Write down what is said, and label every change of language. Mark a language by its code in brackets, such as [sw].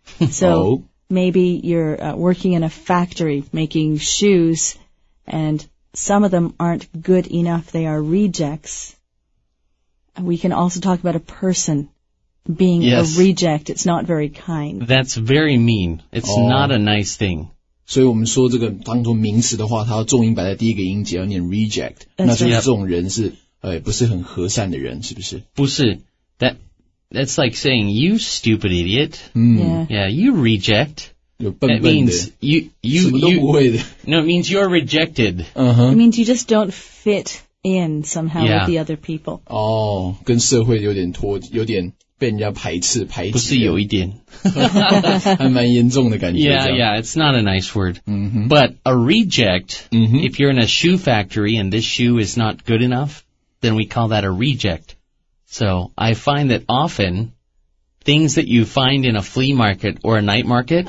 [en] So、 oh. maybe you're、working in a factory making shoes and some of them aren't good enough. They are rejects. We can also talk about a person being yes. a reject. It's not very kind. That's very mean. It's、oh. not a nice thing. [zh] 所以我们说这个当作名词的话，它要重音摆在第一个音节，要念 reject。 [en] That's、 [zh] 那就是这种人是、yep. 不是很和善的人，是不是？不是 [en] ，That's like saying you stupid idiot. Yeah, you reject. [zh] 有笨笨的。 [en] It means you [zh] 什么都不会的。 [en] No, it means you're rejected. Uh-huh. It means you just don't fit in somehow、 yeah. with the other people. [zh] 哦、oh, ，跟社会有点脱，有点。被人家排斥排挤不是有一点还蛮严重的感觉 [en] Yeah, yeah, it's not a nice word、 mm-hmm. But a reject、 mm-hmm. If you're in a shoe factory and this shoe is not good enough Then we call that a reject So I find that often Things that you find in a flea market or a night market、